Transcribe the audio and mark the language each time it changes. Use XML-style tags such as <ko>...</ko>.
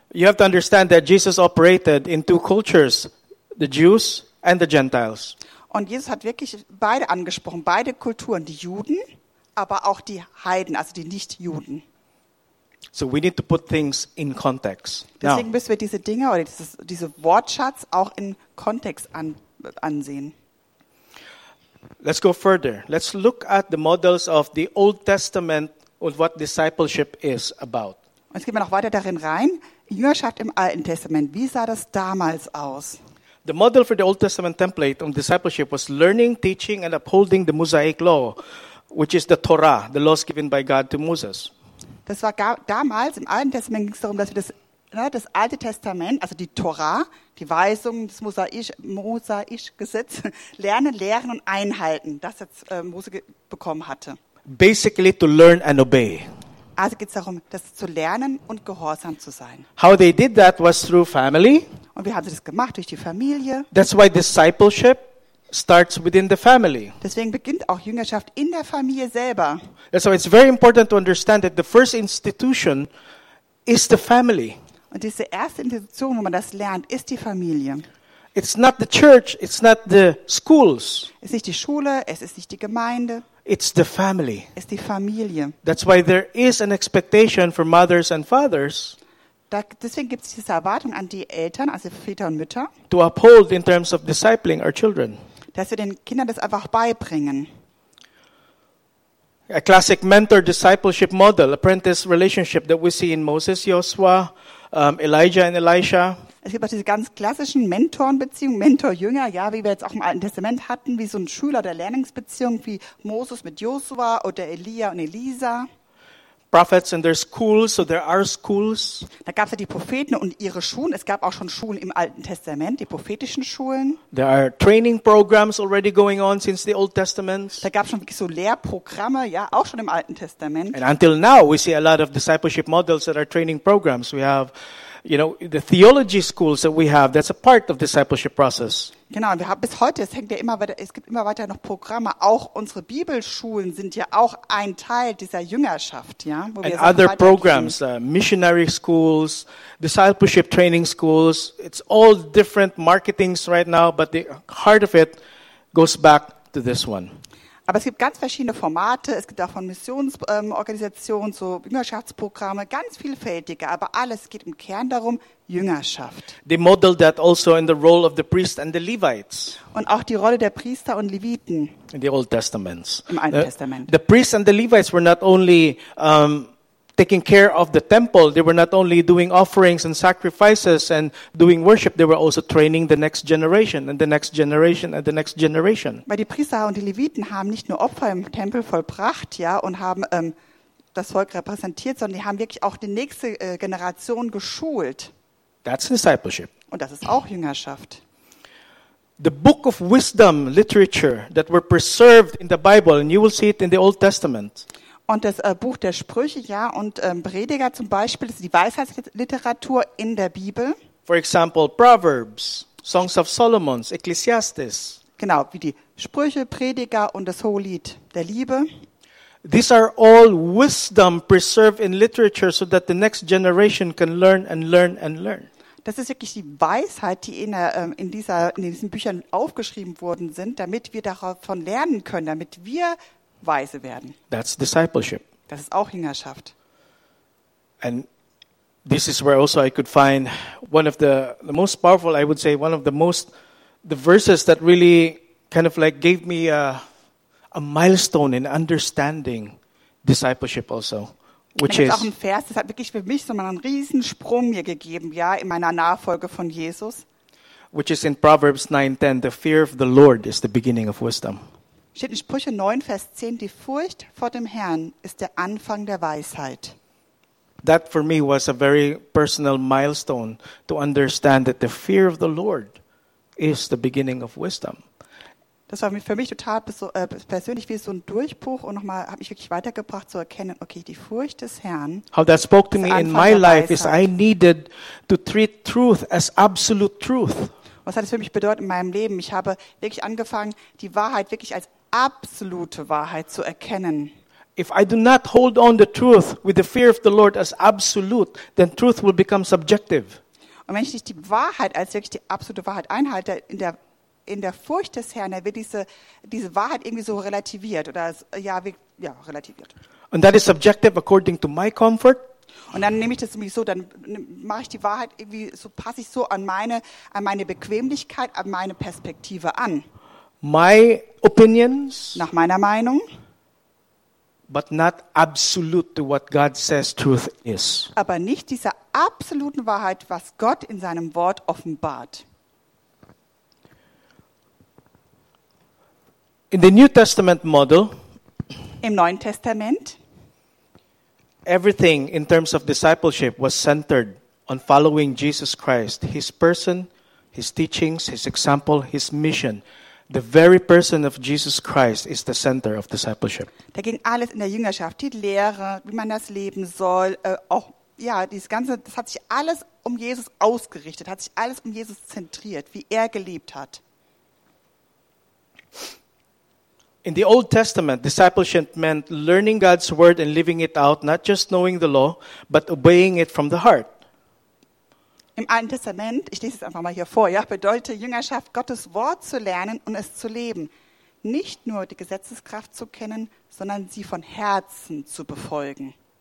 <en>You have to understand that Jesus operated in two cultures, the Jews and the Gentiles.</en> <de>Und Jesus hat wirklich beide angesprochen, beide Kulturen, die Juden, aber auch die Heiden, also die Nichtjuden.</de> <en>So we need to put things in context.</en> <de>Deswegen</de> <en>now,</en> <de>müssen wir diese Dinge oder diese Wortschatz auch in Kontext ansehen.</de> <en>Let's go further. Let's look at the models of the Old Testament and what discipleship is about.</en> <de>Jetzt gehen wir noch weiter darin rein. Jüngerschaft im Alten Testament. Wie sah das damals aus?</de> <en>The model for the Old Testament template on discipleship was learning, teaching and upholding the Mosaic law, which is the Torah, the laws given by God to Moses.</en> <de>Das war damals im Alten Testament ging es darum, dass wir das Alte Testament, also die Torah, die Weisungen des Mosaisch Gesetz lernen, lehren und einhalten, das jetzt Mose bekommen hatte.</de> <en>Basically to learn and obey.</en> <de>Also geht's darum, das zu lernen und gehorsam zu sein.</de> <en>How they did that was through family.</en> <de>Und wie haben sie das gemacht? Durch die Familie.</de> <en>That's why discipleship starts within the family.</en> <de>Deswegen beginnt auch Jüngerschaft in der Familie selber.</de> <en>So it's very important to understand that the first institution is the family.</en> <de>Und diese erste Institution, wo man das lernt, ist die Familie.</de> <en>It's not the church, it's not the schools.</en> <de>Es ist nicht die Schule, es ist nicht die Gemeinde.</de> <en>It's the family.</en> <de>Es ist die Familie.</de> <en>That's why there is an expectation for mothers and fathers.</en> <de>Deswegen gibt es diese Erwartung an die Eltern, also Väter und Mütter,</de> <en>to uphold in terms of discipling our children,</en> <de>dass wir den Kindern das einfach beibringen.</de> <en>A classic mentor discipleship model, apprentice relationship that we see in Moses, Joshua, Elijah and Elisha.</en> <de>Es gibt auch diese ganz klassischen Mentorenbeziehungen, Mentor-Jünger, ja, wie wir jetzt auch im Alten Testament hatten, wie so ein Schüler der Lernungsbeziehung wie Moses mit Joshua oder Elia und Elisa.</de> <en>Prophets and their schools, so there are schools.</en> <de>Da gab es ja die Propheten und ihre Schulen. Es gab auch schon Schulen im Alten Testament, die prophetischen Schulen.</de> <en>There are training programs already going on since the Old Testament.</en> <de>Da gab es schon wirklich so Lehrprogramme, ja, auch schon im Alten Testament.</de> <en>And until now, we see a lot of discipleship models that are training programs. We have, you know, the theology schools that we have. That's a part of the discipleship process.</en> <de>Genau, wir haben bis heute, es hängt ja immer weiter, es gibt immer weiter noch Programme. Auch unsere Bibelschulen sind ja auch ein Teil dieser Jüngerschaft, ja.</de> <en>Wo and wir other programs, missionary schools, discipleship training schools. It's all different marketings right now, but the heart of it goes back to this one.</en> <de>Aber es gibt ganz verschiedene Formate. Es gibt auch von Missionsorganisationen, so Jüngerschaftsprogramme, ganz vielfältige. Aber alles geht im Kern darum, Jüngerschaft.</de> <en>They model that also in the role of the priest and the Levites.</en> <de>Und auch die Rolle der Priester und Leviten.</de> <en>In the Old Testaments.</en> <de>Im Alten Testament.</de> <en>The priests and the Levites were not only taking care of the temple. They were not only doing offerings and sacrifices and doing worship, they were also training the next generation and the next generation and the next generation.</en> <de>Weil die Priester und die Leviten haben nicht nur Opfer im Tempel vollbracht, ja, und haben das Volk repräsentiert, sondern die haben wirklich auch die nächste Generation geschult.</de> <en>That's discipleship.</en> <de>Und das ist auch Jüngerschaft.</de> <en>The book of wisdom literature that were preserved in the Bible, and you will see it in the Old Testament.</en> <de>Und das Buch der Sprüche, ja, und Prediger zum Beispiel, das ist die Weisheitsliteratur in der Bibel.</de> <en>For example, Proverbs, Songs of Solomon, Ecclesiastes.</en> <de>Genau, wie die Sprüche, Prediger und das Hohelied der Liebe.</de> <en>These are all wisdom preserved in literature so that the next generation can learn and learn and learn.</en> <de>Das ist wirklich die Weisheit, die in diesen Büchern aufgeschrieben worden sind, damit wir davon lernen können, damit wir weise werden.</de> <en>That's discipleship.</en> <de>Das ist auch Jüngerschaft.</de> <en>And this is where also I could find one of the most powerful, I would say one of the most, the verses that really kind of like gave me a milestone in understanding discipleship also. Which</en> <de>ist auch ein Vers, das hat wirklich für mich so einen Riesensprung mir gegeben, ja, in meiner Nachfolge von Jesus.</de> <en>Which is in Proverbs 9:10, the fear of the Lord is the beginning of wisdom.</en> <de>Steht in Sprüche 9, Vers 10, die Furcht vor dem Herrn ist der Anfang der Weisheit.</de> <en>That for me was a very personal milestone to understand that the fear of the Lord is the beginning of wisdom.</en> <de>Das war für mich total persönlich wie so ein Durchbruch und nochmal hat mich wirklich weitergebracht zu erkennen, okay, die Furcht des Herrn.</de> <en>How that spoke to me in my life is I needed to treat truth as absolute truth.</en> <de>Was hat das für mich bedeutet in meinem Leben? Ich habe wirklich angefangen, die Wahrheit wirklich als absolute Wahrheit zu erkennen.</de> <en>If I do not hold on the truth with the fear of the Lord as absolute, then truth will become subjective.</en> <de>Und wenn ich nicht die Wahrheit als wirklich die absolute Wahrheit einhalte, in der Furcht des Herrn, da wird diese Wahrheit irgendwie so relativiert oder relativiert.</de> <en>And that is subjective according to my comfort.</en> <de>Und dann nehme ich das irgendwie so, dann mache ich die Wahrheit irgendwie so, passe ich so an meine Bequemlichkeit, an meine Perspektive an.</de> <en>My opinions.</en> <de>Nach meiner Meinung.</de> <en>But not absolute to what God says truth is.</en> <de>Aber nicht dieser absoluten Wahrheit, was Gott in seinem Wort offenbart.</de> <en>In the New Testament model,</en> <de>im Neuen Testament,</de> <en>everything in terms of discipleship was centered on following Jesus Christ, his person, his teachings, his example, his mission. The very person of Jesus Christ is the center of discipleship.</en> <de>Da ging alles in der Jüngerschaft, die Lehre, wie man das leben soll, dieses ganze, das hat sich alles um Jesus ausgerichtet, hat sich alles um Jesus zentriert, wie gelebt hat.</de> <en>In the Old Testament, discipleship meant learning God's word and living it out, not just knowing the law, but obeying it from the heart.</en> <de>Im Alten Testament, ich lese es einfach mal hier vor, ja, bedeutet Jüngerschaft, Gottes Wort zu lernen und es zu leben. Nicht nur die Gesetzeskraft zu kennen, sondern sie von Herzen zu befolgen.</de>